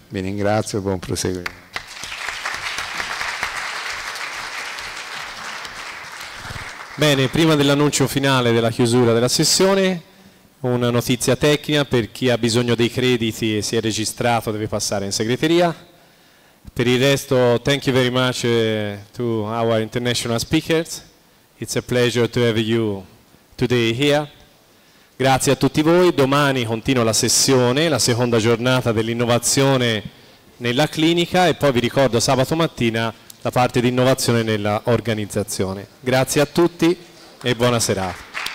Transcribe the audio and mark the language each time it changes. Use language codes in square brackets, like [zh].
[it] Vi ringrazio e buon proseguimento. Bene, prima dell'annuncio finale della chiusura della sessione, una notizia tecnica: per chi ha bisogno dei crediti e si è registrato deve passare in segreteria. Per il resto, [en] thank you very much to our international speakers. It's a pleasure to have you today here. [it] Grazie a tutti voi. Domani continua la sessione, la seconda giornata dell'innovazione nella clinica, e poi vi ricordo sabato mattina la parte di innovazione nella organizzazione. Grazie a tutti e buona serata.